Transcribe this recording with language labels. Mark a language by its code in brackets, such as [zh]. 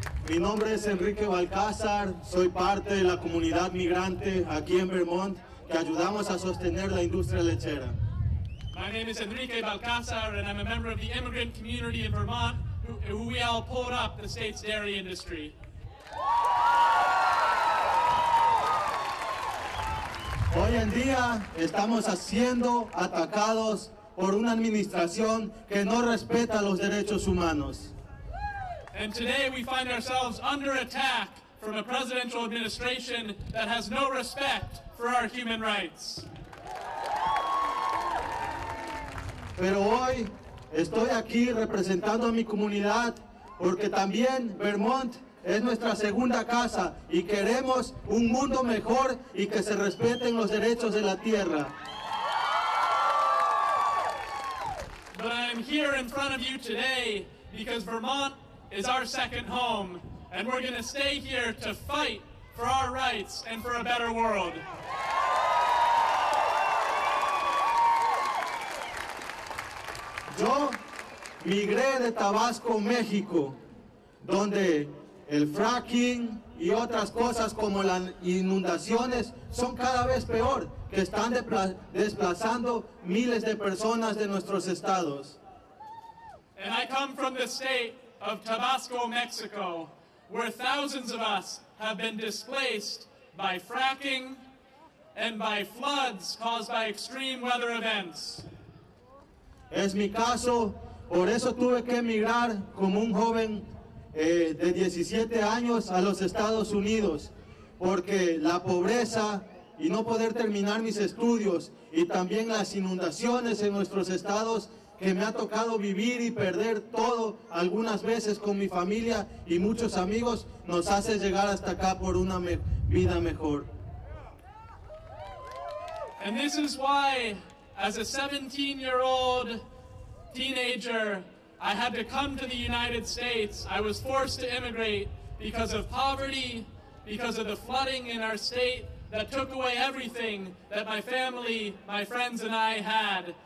[es] Mi nombre es Enrique Balcázar, soy parte de la comunidad migrante aquí en Vermont que ayudamos a sostener la industria lechera. [en] My name is Enrique Balcázar and I'm a member of the immigrant community in Vermont who we all pulled up the state's dairy industry. [es] Hoy en día estamos siendo atacados por una administración que no respeta los derechos humanos. [en] And today we find ourselves under attack from a presidential administration that has no respect for our human rights. [es] Pero hoy estoy aquí representando a mi comunidad porque también Vermont es nuestra segunda casa y queremos un mundo mejor y que se respeten los derechos de la tierra. [en] But I am here in front of you today because Vermont is our second home and we're going to stay here to fight for our rights and for a better world. [es] Yo migré de Tabasco, México, donde el fracking y otras cosas como las inundaciones son cada vez peor, que están desplazando miles de personas de nuestros estados. [en] And I come from the state of Tabasco, Mexico, where thousands of us have been displaced by fracking and by floods caused by extreme weather events. [es] Es mi caso, por eso tuve que emigrar como un joven de 17 años a los Estados Unidos, porque la pobreza y no poder terminar mis estudios y también las inundaciones en nuestros estados que me ha tocado vivir y perder todo algunas veces con mi familia y muchos amigos nos hace llegar hasta acá por una vida mejor. [en] And this is why, as a 17-year-old teenager, I had to come to the United States. I was forced to immigrate because of poverty, because of the flooding in our state that took away everything that my family, my friends, and I had.